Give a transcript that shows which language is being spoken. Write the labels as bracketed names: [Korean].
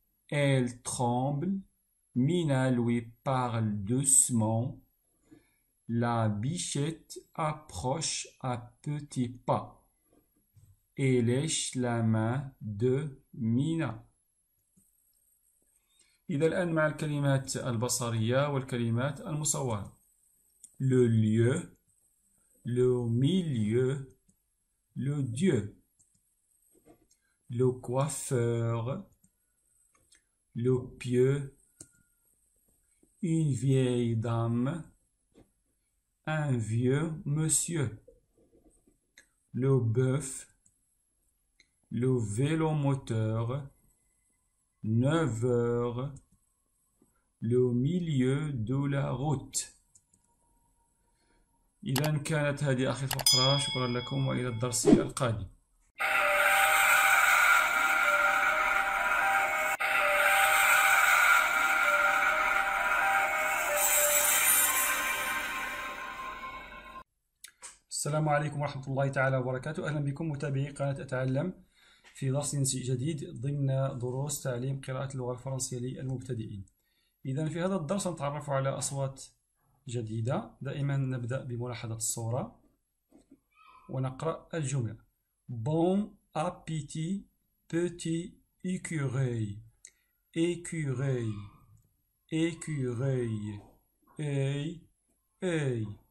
[French] Elle tremble. Mina lui parle doucement. La bichette approche à petits pas et lèche la main de Mina. [Arabic] إذا الآن مع الكلمات البصرية والكلمات المصورة. [French] Le lieu, le milieu, le dieu. Le coiffeur, le pieu. Une vieille dame. Un vieux monsieur, le bœuf, le vélo moteur, 9 heures, le milieu de la route. [Arabic] إذا كانت هذه آخر فقرة، شكرا لكم وإلى الدرس القادم. السلام عليكم ورحمة الله تعالى وبركاته. أهلا بكم متابعي قناة أتعلم في درس جديد ضمن دروس تعليم قراءة اللغة الفرنسية للمبتدئين. إذا في هذا الدرس نتعرف على أصوات جديدة. دائما نبدأ بملاحظة الصورة ونقرأ الجملة. [French] Bon appétit, petit écureuil. Écureuil, écureuil, œil, œil.